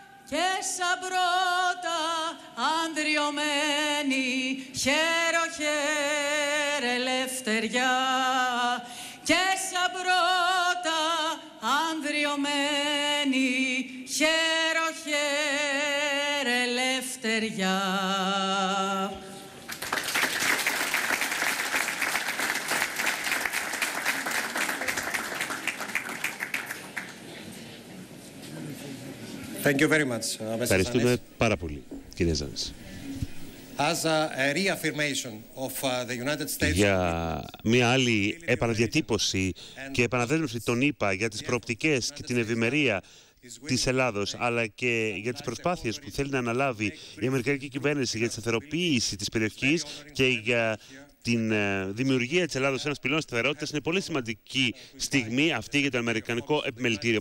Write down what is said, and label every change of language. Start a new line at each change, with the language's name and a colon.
Greek: και σαν πρώτα ανδριωμένη χαίρο χαίρε ελευθεριά και σαν πρώτα ανδριωμένη χαίρο χαίρε ελευθεριά.
English: Thank you very much.
Greek: Ευχαριστούμε πάρα πολύ, κύριε Ζανής.
English: As a reaffirmation of the United States.
Greek: Για μια άλλη επαναδιατύπωση και επαναδέσμευση των ΗΠΑ για τις προοπτικές και την ευημερία της Ελλάδος, αλλά και για τις προσπάθειες που θέλει να αναλάβει η Αμερικανική κυβέρνηση για τη σταθεροποίηση της περιοχής και για την δημιουργία της Ελλάδος ένας πυλώνας σταθερότητας, είναι πολύ σημαντική στιγμή αυτή για το Αμερικανικό Επιμελητήριο.